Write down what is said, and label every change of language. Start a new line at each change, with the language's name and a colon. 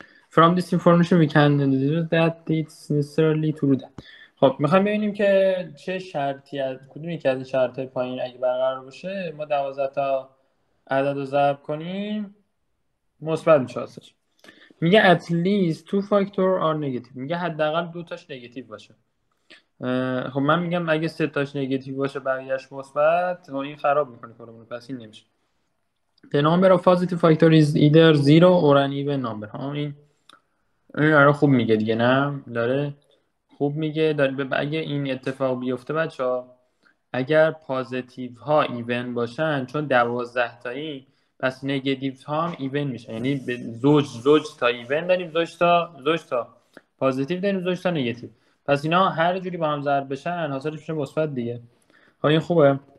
English: From this information we can deduce that it's necessarily true.
Persian: خب میخوام ببینیم که چه شرطی از کدوم یکی از شرط های پایین اگه برقرار باشه ما 12 تا عدد رو ضرب کنیم مثبت میشه حاصلش. میگه
English: at least two factor are negative،
Persian: میگه حداقل دو تاش نگاتیو باشه. خب من میگم اگه 3 تاش نگاتیو باشه بقیه‌اش مثبت، این خراب میکنه کارمون رو، پس این نمیشه.
English: The number of positive factor is either zero or an even number.
Persian: ها این آره خوب میگه دیگه، نه داره خوب میگه. داره اگه این اتفاق بیفته بچه ها، اگر پازیتیو ها ایون باشن چون 12 تایی، پس نگاتیو ها هم ایون میشه، یعنی زوج تا ایون داریم، زوج تا پازیتیو داریم، زوج تا نگاتیو، پس اینا هر جوری با هم ضرب بشن حاصلش میشه مثبت دیگه. خب این خوبه.